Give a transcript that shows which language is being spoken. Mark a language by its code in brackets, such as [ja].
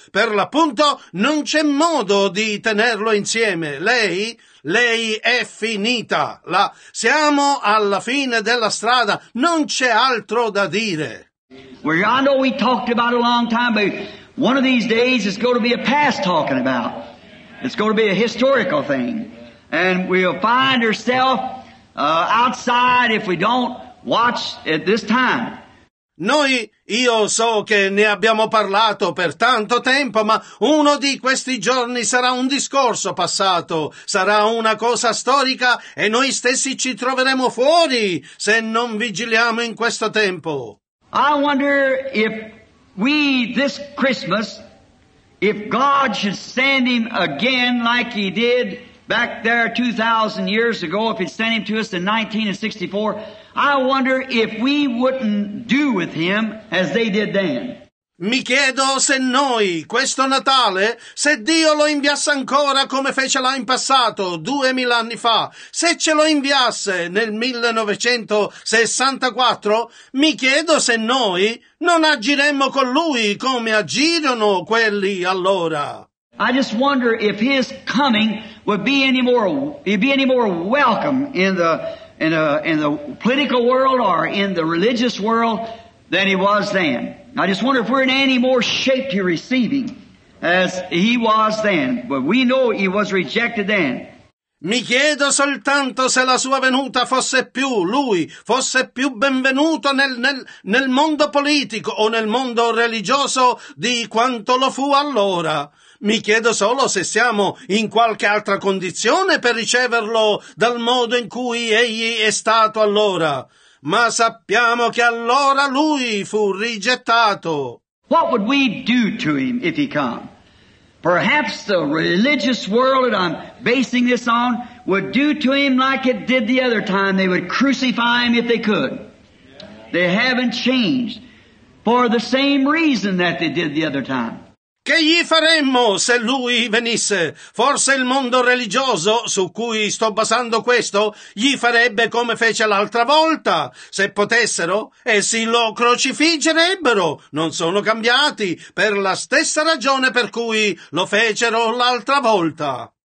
[it] Per l'appunto non c'è modo di tenerlo insieme. Lei è finita. Siamo alla fine della strada. Non c'è altro da dire. [en] Well, I know we talked about it a long time, but one of these days it's going to be a past talking about. It's going to be a historical thing. And we'll find ourselves outside if we don't watch at this time. [it] Io so che ne abbiamo parlato per tanto tempo, ma uno di questi giorni sarà un discorso passato, sarà una cosa storica e noi stessi ci troveremo fuori se non vigiliamo in questo tempo. [en] I wonder if we, this Christmas, if God should send him again like he did back there 2,000 years ago, if he'd send him to us in 1964, I wonder if we wouldn't do with him as they did then. [it] Mi chiedo se noi, questo Natale, se Dio lo inviasse ancora come fece là in passato, 2000 anni fa, se ce lo inviasse nel 1964, mi chiedo se noi non agiremmo con lui come agirono quelli allora. [en] I just wonder if his coming would be any more welcome in the political world or in the religious world than he was then. I just wonder if we're in any more shape to receiving as he was then. But we know he was rejected then. [it] Mi chiedo soltanto se la sua venuta fosse più lui, fosse più benvenuto nel mondo politico o nel mondo religioso di quanto lo fu allora. Mi chiedo solo se siamo in qualche altra condizione per riceverlo dal modo in cui egli è stato allora. Ma sappiamo che allora lui fu rigettato. [en] What would we do to him if he come? Perhaps the religious world that I'm basing this on would do to him like it did the other time. They would crucify him if they could. They haven't changed for the same reason that they did the other time. [it] Che gli faremmo se lui venisse? Forse il mondo religioso, su cui sto basando questo, gli farebbe come fece l'altra volta, se potessero, e si lo crocifiggerebbero. Non sono cambiati, per la stessa ragione per cui lo fecero l'altra volta.